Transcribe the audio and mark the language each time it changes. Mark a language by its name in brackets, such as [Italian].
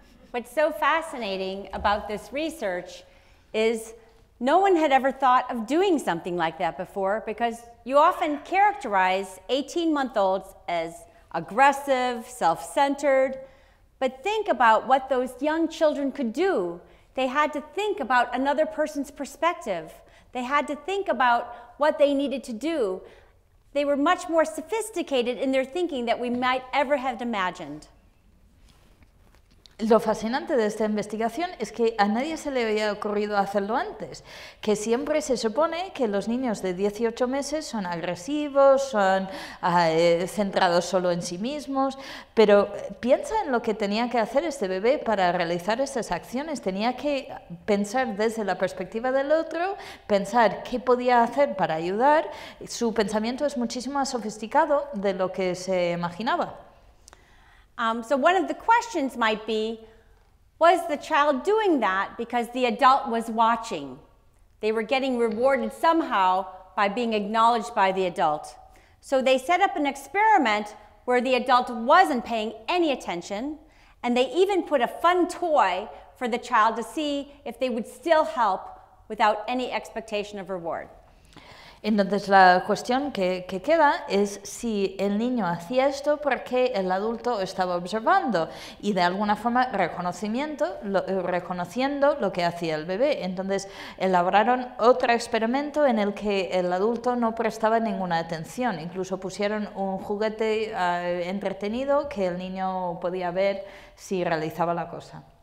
[English] What's so fascinating about this research is no one had ever thought of doing something like that before, because you often characterize 18-month-olds as aggressive, self-centered, but think about what those young children could do. They had to think about another person's perspective. They had to think about what they needed to do. They were much more sophisticated in their thinking than we might ever have imagined. [Spanish] Lo fascinante de esta investigación es que a nadie se le había ocurrido hacerlo antes, que siempre se supone que los niños de 18 meses son agresivos, son centrados solo en sí mismos, pero piensa en lo que tenía que hacer este bebé para realizar estas acciones. Tenía que pensar desde la perspectiva del otro, pensar qué podía hacer para ayudar. Su pensamiento es muchísimo más sofisticado de lo que se imaginaba. [English] So one of the questions might be, was the child doing that because the adult was watching? They were getting rewarded somehow by being acknowledged by the adult. So they set up an experiment where the adult wasn't paying any attention, and they even put a fun toy for the child to see if they would still help without any expectation of reward. [Spanish] Entonces la cuestión que queda es si el niño hacía esto porque el adulto estaba observando y de alguna forma reconociendo lo que hacía el bebé. Entonces elaboraron otro experimento en el que el adulto no prestaba ninguna atención, incluso pusieron un juguete entretenido que el niño podía ver si realizaba la cosa.